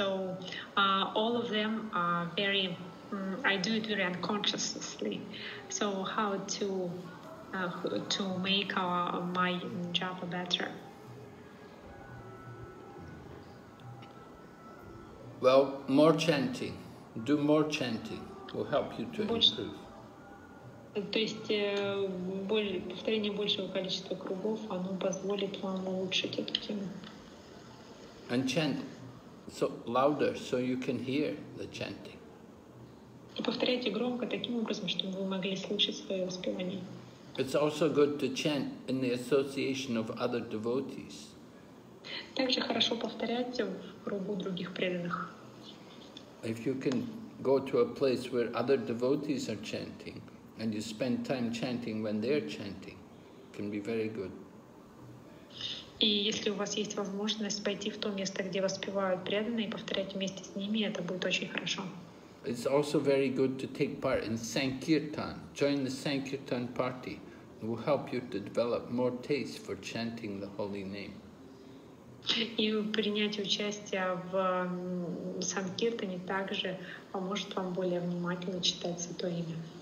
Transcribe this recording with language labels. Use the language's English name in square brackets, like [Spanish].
[English] So all of them are very I do it very unconsciously. So how to make my japa better? Well, more chanting. Do more chanting will help you to improve. [Russian] То есть повторение большего количества кругов, оно позволит вам улучшить эту тему. [English] And chant so louder, so you can hear the chanting. [Russian] И повторяйте громко таким образом, чтобы вы могли слышать свое воспевание. [English] It's also good to chant in the association of other devotees. [Russian] Также хорошо повторять в кругу других преданных. [English] If you can go to a place where other devotees are chanting, and you spend time chanting when they're chanting, can be very good. [Russian] И если у вас есть возможность пойти в то место, где воспевают преданные, и повторять вместе с ними, это будет очень хорошо. [English] It's also very good to take part in Sankirtan. Join the Sankirtan party. It will help you to develop more taste for chanting the holy name. [Russian] И принять участие в Санкиртане также поможет вам более внимательно читать Святое Имя.